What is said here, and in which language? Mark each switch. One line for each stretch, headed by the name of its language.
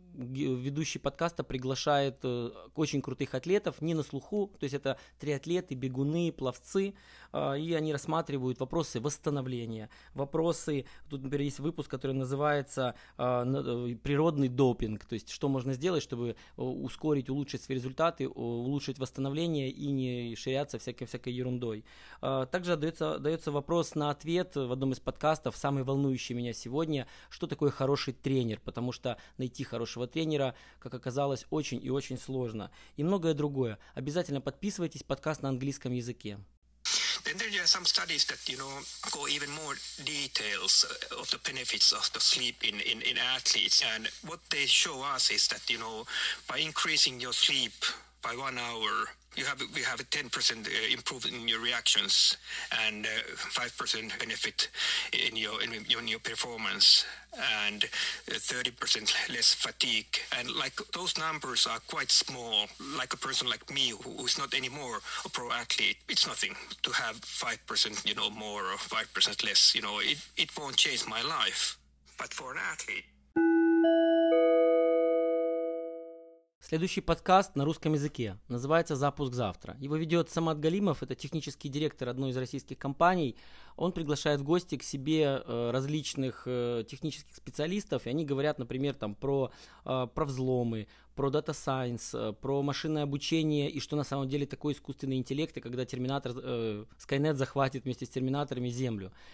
Russian: ведущий подкаста приглашает очень крутых атлетов, не на слуху, то есть это триатлеты, бегуны, пловцы, и они рассматривают вопросы восстановления, вопросы, тут, например, есть выпуск, который называется «Природный допинг», то есть что можно сделать, чтобы ускорить, улучшить свои результаты, улучшить восстановление и не ширяться всякой ерундой. Также дается вопрос на ответ в одном из подкастов, самый волнующий меня сегодня, что такое хороший тренер, потому что найти хорошего тренера, как оказалось, очень и очень сложно. И многое другое. Обязательно подписывайтесь, подкаст на английском языке.
English: Then there are some studies that, you know, go even more details of the benefits of the sleep in athletes. And what they show us is that, you know, by increasing your sleep by 1 hour, you have a 10% improvement in your reactions and 5% benefit in your performance and 30% less fatigue. And like those numbers are quite small. Like a person like me who is not anymore a pro athlete, it's nothing to have 5%, you know, more or 5% less, you know, it won't change my life. But for an athlete...
Russian: Следующий подкаст на русском языке. Называется «Запуск завтра». Его ведет Самат Галимов, это технический директор одной из российских компаний. Он приглашает в гости к себе различных технических специалистов, и они говорят, например, там, про взломы, про data science, про машинное обучение и что на самом деле такое искусственный интеллект, и когда терминатор, Skynet захватит вместе с терминаторами Землю.